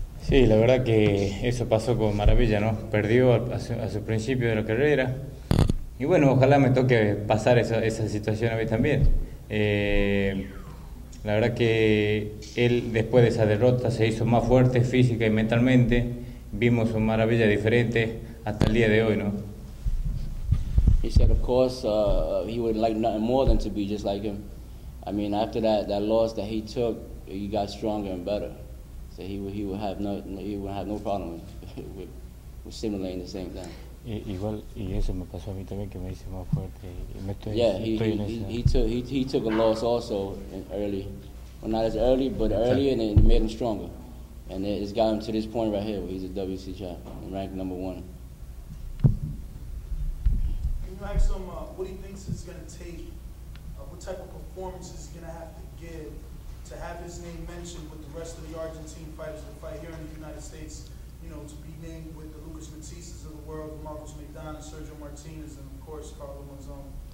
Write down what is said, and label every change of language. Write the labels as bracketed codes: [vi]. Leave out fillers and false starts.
[es] Sí, la verdad que eso pasó con maravilla, ¿no? Perdió a su principio de la carrera. Y bueno, ojalá me toque pasar esa situación a mí también. La verdad que él, después de esa derrota, se hizo más fuerte física y mentalmente. Vimos una maravilla diferente hasta el día de hoy, ¿no? [en] He said, of course, he would like nothing more than to be just like him. I mean, after that loss that he took, he got stronger and better. So he would have no problem with simulating the same thing. [es] Igual, y eso me pasó a mí también, que me hice más fuerte. [en] He took a loss also in early. Well, not as early, but early, and it made him stronger. And it's got him to this point right here, where he's a WC champ, ranked number one. Can you ask him what he thinks it's going to take, what type of performance is he going to have to give to have his name mentioned with the rest of the Argentine fighters to fight here in the United States, you know, to be named with the Lucas Matisse's of the world, Marcos McDonald, Sergio Martinez, and of course, Carlo Monzon?